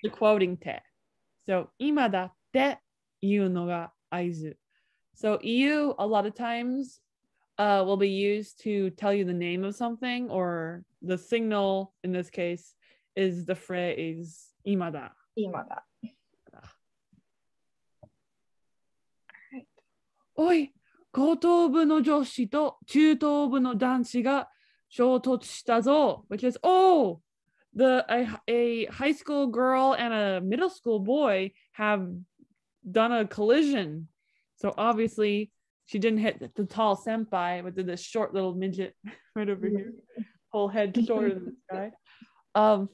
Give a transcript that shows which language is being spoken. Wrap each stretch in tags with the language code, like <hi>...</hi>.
<en>the quoting</en> <ja>te. So, imada te iu no ga aizu.</ja> <en>So, iu, a lot of times, will be used to tell you the name of something, or the signal in this case is the phrase imada.</en> <ja>Imada. Oi, 後頭部の女子と中頭部の男子が衝突したぞ。</ja> <en>Which is, oh, a high school girl and a middle school boy have done a collision. So obviously she didn't hit the tall senpai, but the short little midget right over here, whole head shorter than this guy.</en>